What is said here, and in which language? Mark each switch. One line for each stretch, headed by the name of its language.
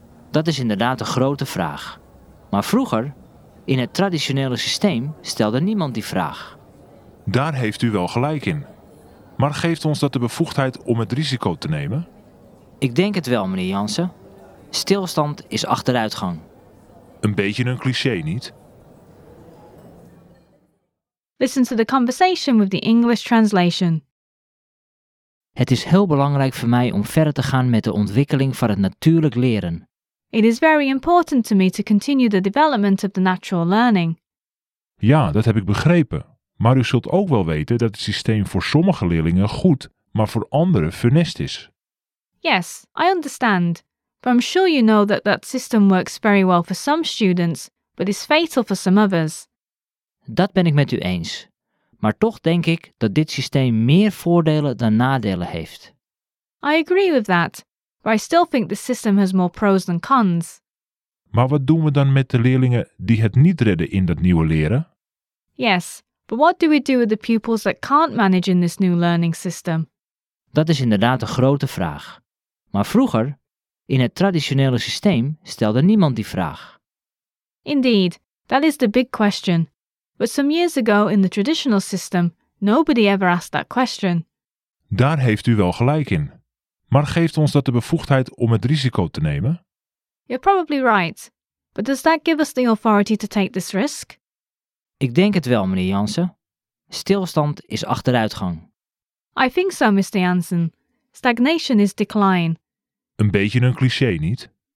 Dutch: Dat is inderdaad een grote vraag. Maar vroeger, in het traditionele systeem, stelde niemand die vraag. Daar heeft u wel gelijk in. Maar geeft ons dat de bevoegdheid om het risico te nemen? Ik denk het wel, meneer Janssen. Stilstand is achteruitgang. Een beetje een cliché, niet?
English: Listen to the conversation with the English translation.
Dutch: Het is heel belangrijk voor mij om verder te gaan met de ontwikkeling van het natuurlijk leren.
English: It is very important to me to continue the development of the natural learning.
Dutch: Ja, dat heb ik begrepen. Maar u zult ook wel weten dat het systeem voor sommige leerlingen goed, maar voor anderen funest is.
English: Yes, I understand. But I'm sure you know that that system works very well for some students, but is fatal for some others.
Dutch: Dat ben ik met u eens. Maar toch denk ik dat dit systeem meer voordelen dan nadelen heeft.
English: I agree with that, but I still think the system has more pros than cons.
Dutch: Maar wat doen we dan met de leerlingen die het niet redden in dat nieuwe leren?
English: Yes, but what do we do with the pupils that can't manage in this new learning system?
Dutch: Dat is inderdaad een grote vraag. Maar vroeger, in het traditionele systeem, stelde niemand die vraag.
English: Indeed, that is the big question. But some years ago in the traditional system, nobody ever asked that question.
Dutch: Daar heeft u wel gelijk in. Maar geeft ons dat de bevoegdheid om het risico te nemen?
English: You're probably right. But does that give us the authority to take this risk?
Dutch: Ik denk het wel, meneer Janssen. Stilstand is achteruitgang.
English: I think so, Mr. Janssen. Stagnation is decline.
Dutch: Een beetje een cliché, niet?